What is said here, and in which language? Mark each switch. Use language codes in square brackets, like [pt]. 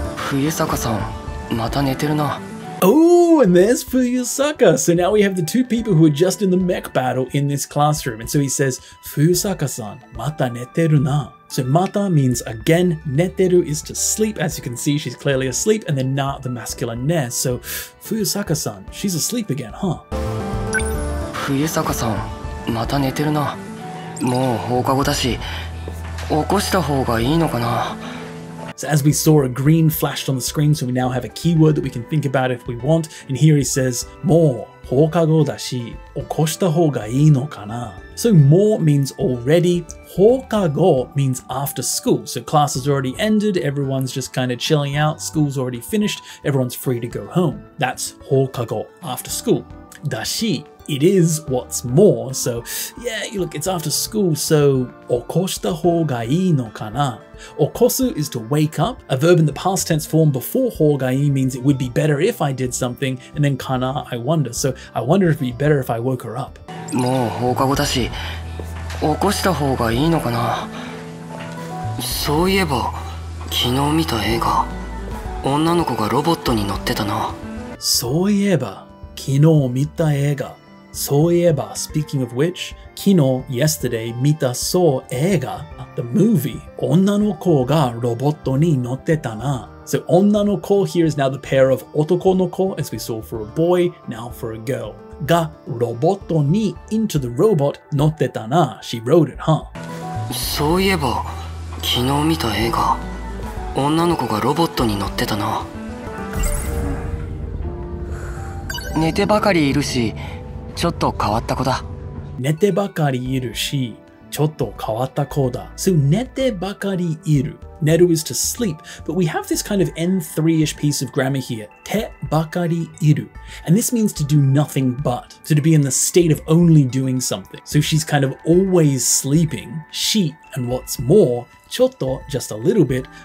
[ja] 冬坂さん、また寝てるな。 [en] Oh, and there's Fuyusaka. So now we have the two people who are just in the mech battle in this classroom. And so he says, [ja] Fuyusaka-san, mata neteru na. [en] So mata means again, neteru is to sleep. As you can see, she's clearly asleep. And then na, the masculine ne. So Fuyusaka-san, she's asleep again, huh? Fuyusaka-san, mata neteru na. [ja] もう放課後だし、起こした方がいいのかな。 [en] So as we saw, a green flashed on the screen, so we now have a keyword that we can think about if we want. And here he says, [ja] もう放課後だし、起こした方がいいのかな。 [en] So more means already. 放課後 means after school. So class has already ended. Everyone's just kind of chilling out. School's already finished. Everyone's free to go home. That's 放課後, after school. だし, it is what's more. So yeah, look, it's after school. [ja] So 起こした方がいいのかな。 [en] Okosu is to wake up. A verb in the past tense form before hōgai means it would be better if I did something, and then kana, I wonder. So I wonder if it would be better if I woke her up. [ja] もう放課後だし、起こした方がいいのかな。そういえば、昨日見た映画、女の子がロボットに乗ってたな。そういえば、昨日見た映画。そういえば、 [en] speaking of which, [ja] 昨日 yesterday, 見たそう映画 the movie, 女の子がロボットに乗ってたな。 [en] So 女の子 here is now the pair of 男の子 as we saw for a boy, now for a girl. [ja] がロボットに [en] into the robot 乗ってたな。She rode it, huh? [ja] そういえば、昨日見た映画、女の子がロボットに乗ってたな。寝てばかりいるし、ちょっと変わった子だ。寝てばかりいるし、ちょっと変わった子だ。 So 寝てばかりいる。 [en] 寝る is to sleep, but we have this kind of N3-ish piece of grammar here. てばかりいる.And this means to do nothing but. So to be in the state of only doing something. So she's kind of always sleeping. She, and what's more, ちょっと, just a little bit.